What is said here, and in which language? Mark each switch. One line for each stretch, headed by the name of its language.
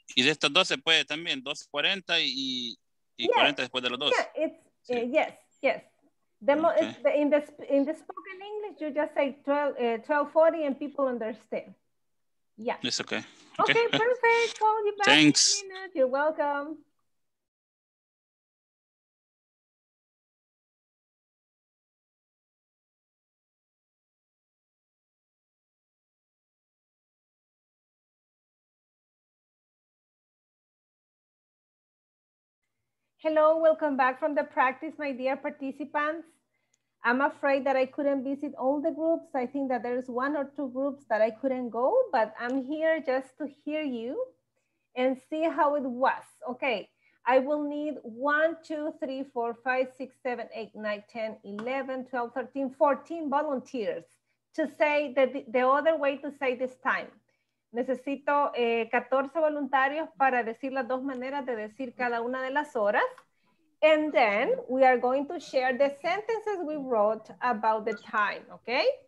Spanish: Y de estas 12 puede también, 2:40 y 40 después de las 12.
English: Yeah, it's, yes. In the spoken English, you just say 12:40 and people understand. Yeah. It's okay. Okay, perfect. Call you back. Thanks. You're welcome. Hello, welcome back from the practice, my dear participants. I'm afraid that I couldn't visit all the groups. I think that there's one or two groups that I couldn't go, but I'm here just to hear you and see how it was. Okay, I will need 1, 2, 3, 4, 5, 6, 7, 8, 9, 10, 11, 12, 13, 14 volunteers to say the other way to say this time.
Spanish: Necesito 14 voluntarios para decir las dos maneras de decir cada una de las horas.
English: And then we are going to share the sentences we wrote about the time, okay?